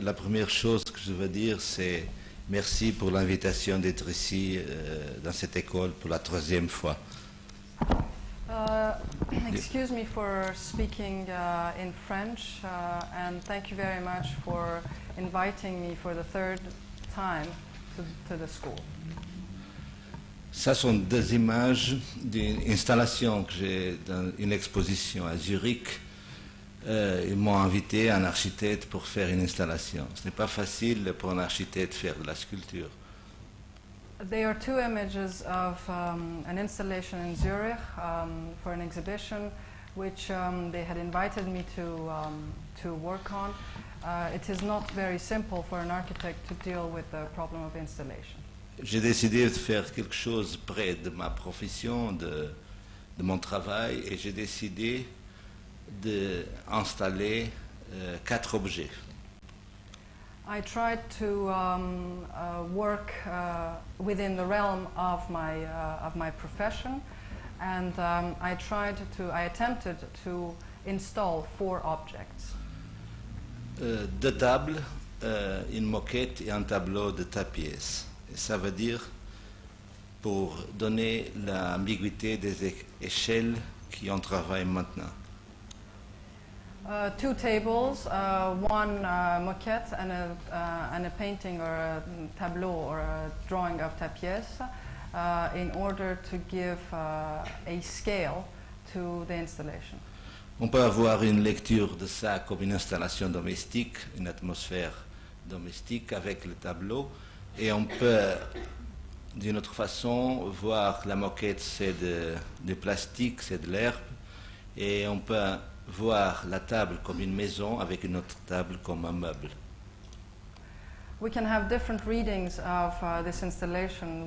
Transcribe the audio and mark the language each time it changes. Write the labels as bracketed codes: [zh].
[fr] La première chose que je veux dire, c'est merci pour l'invitation d'être ici dans cette école pour la troisième fois. [en] Excuse me for speaking in French, and thank you very much for inviting me for the third time to the school. [fr] Ça sont deux images d'une installation que j'ai dans une exposition à Zurich. Ils m'ont invité un architecte pour faire une installation. Ce n'est pas facile pour un architecte de faire de la sculpture. [en] They are two images of an installation in Zurich for an exhibition which they had invited me to work on. It is not very simple for an architect to deal with the problem of installation. [fr] J'ai décidé de faire quelque chose près de ma profession, de mon travail, et j'ai décidé d'installer 4 objets. [en] I tried to work within the realm of my profession, and I attempted to install 4 objects. [fr] 2 tables, une moquette et un tableau de tapis. Ça veut dire pour donner l'ambiguïté des échelles qui en travaillent maintenant. [en] 2 tables, 1 moquette and a painting or a tableau or a drawing of tapis in order to give a scale to the installation. [fr] On peut avoir une lecture de ça comme une installation domestique, une atmosphère domestique avec le tableau, et on peut, d'une autre façon, voir la moquette, c'est de plastique, c'est de l'herbe, et on peut voir la table comme une maison avec une autre table comme un meuble. [en] We can have different readings of this installation.